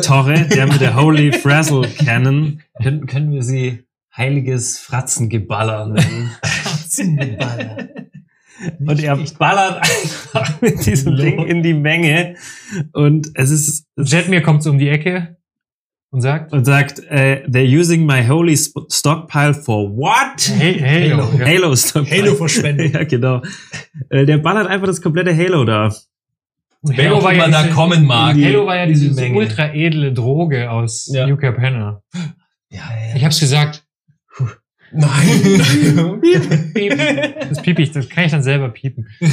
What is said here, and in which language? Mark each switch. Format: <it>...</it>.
<de>Torre, der mit der Holy Frazzle Cannon. Können wir sie heiliges Fratzengeballer nennen? Fratzengeballer. Und er ballert einfach mit diesem Ding in die Menge. Und es ist... Jetmir kommt so um die Ecke und sagt...</de> <en>They're using my holy stockpile for what?</en> <de>Halo. Halo Stockpile. Halo-Verschwendung. Ja, genau. Der ballert einfach das komplette Halo da. Halo war, ja diese, da kommen mag. Halo war ja diese die ultra edle Droge aus New Cap Hanner. Ich hab's gesagt. Puh. Nein. Das piep ich, das kann ich dann selber piepen.</de>